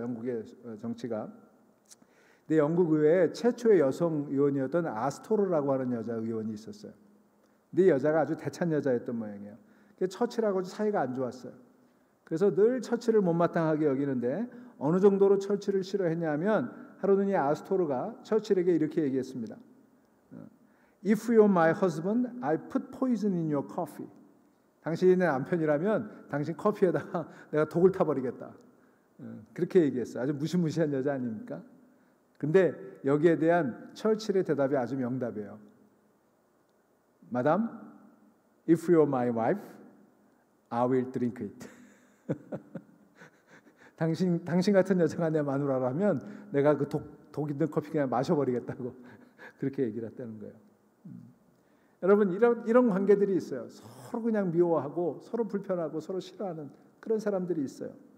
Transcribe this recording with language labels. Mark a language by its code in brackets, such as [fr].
[ko] 영국의 정치가. 근데 영국 의회에 최초의 여성 의원이었던 아스토르라고 하는 여자 의원이 있었어요. 근데 이 여자가 아주 대찬 여자였던 모양이에요. 그 처칠하고 사이가 안 좋았어요. 그래서 늘 처칠을 못마땅하게 여기는데 어느 정도로 처칠을 싫어했냐면 하루는 이 아스토르가 처칠에게 이렇게 얘기했습니다. [en] If you're my husband, I put poison in your coffee. [ko] 당신이 내 남편이라면 당신 커피에다가 내가 독을 타버리겠다. 그렇게 얘기했어요. 아주 무시무시한 여자 아닙니까? 근데 여기에 대한 처칠의 대답이 아주 명답이에요. [en] Madam, if you're my wife, I will drink it. [ko] 당신 같은 여자가 내 마누라라면 내가 그 독 있는 커피 그냥 마셔버리겠다고 그렇게 얘기를 했다는 거예요. 여러분 이런 관계들이 있어요. 서로 그냥 미워하고 서로 불편하고 서로 싫어하는 그런 사람들이 있어요.